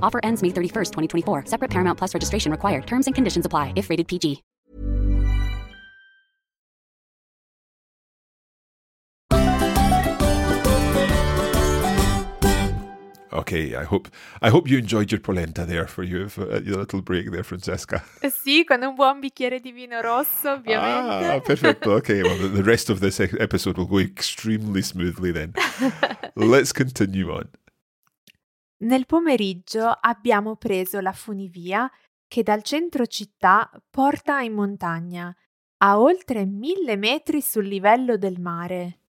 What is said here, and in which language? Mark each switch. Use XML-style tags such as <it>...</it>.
<en>Offer ends May 31st, 2024. Separate Paramount Plus registration required. Terms and conditions apply if rated PG. Okay, I hope you enjoyed your polenta there for you, your little break there, Francesca.</en> <it>Sì, con un buon bicchiere di vino rosso, ovviamente. Ah, perfetto.</it> <en>Okay, well, the rest of this episode will go extremely smoothly then. Let's continue on.</en> <it>Nel pomeriggio abbiamo preso la funivia che dal centro città porta in montagna, a oltre 1,000 metri sul livello del mare.</it>